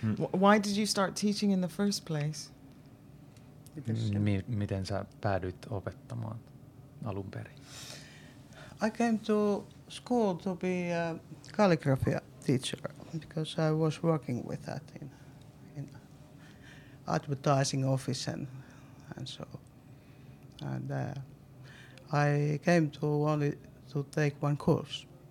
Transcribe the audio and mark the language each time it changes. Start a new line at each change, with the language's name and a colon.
English: Why did you start teaching in the first place?
Finnish: Miten sä päädyit opettamaan alun perin?
English: I came to school to be a calligraphy teacher because I was working with that in advertising office and so. And I came to only to take one course.